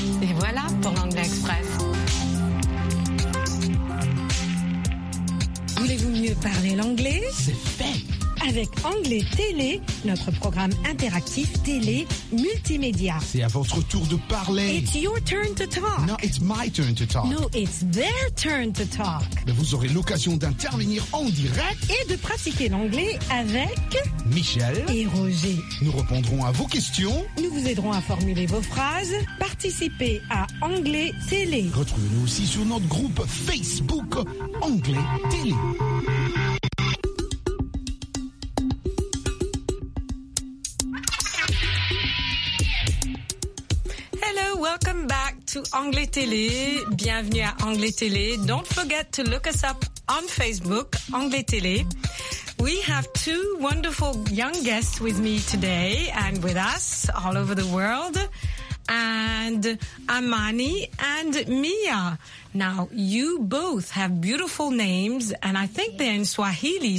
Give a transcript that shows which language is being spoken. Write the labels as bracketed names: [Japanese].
[French] Et voilà pour l'Anglais Express. Voulez-vous mieux parler l'anglais? C'est fait! avec Anglais Télé, notre programme interactif télé multimédia. C'est à votre tour de parler. [English] It's your turn to talk. No, it's my turn to talk. No, it's their turn to talk. [French] Mais vous aurez l'occasion d'intervenir en direct et de pratiquer l'anglais avec Michel et Roger. Nous répondrons à vos questions. Nous vous aiderons à formuler vos phrases. Participez à Anglais Télé. Retrouvez-nous aussi sur notre groupe Facebook Anglais Télé. [English] Welcome back to Anglais Télé. [French] Bienvenue à Anglais Télé. [English] Don't forget to look us up on Facebook, Anglais Télé. We have two wonderful young guests with me today and with us all over the world. And Amani and Mia. Now, you both have beautiful names and I think they're in Swahili.